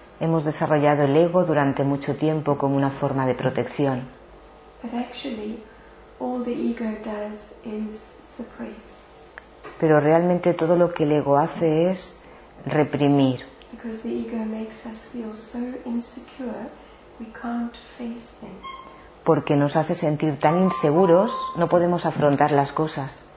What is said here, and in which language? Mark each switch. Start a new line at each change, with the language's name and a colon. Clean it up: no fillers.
Spanish: Hemos desarrollado el ego durante mucho tiempo como una forma de protección.
English: But actually, all the ego does is suppress.
Spanish: Pero realmente todo lo que el ego hace es reprimir.
English: Because the ego makes us feel so insecure, we can't face things.
Spanish: Porque nos hace sentir tan inseguros, no podemos afrontar las cosas.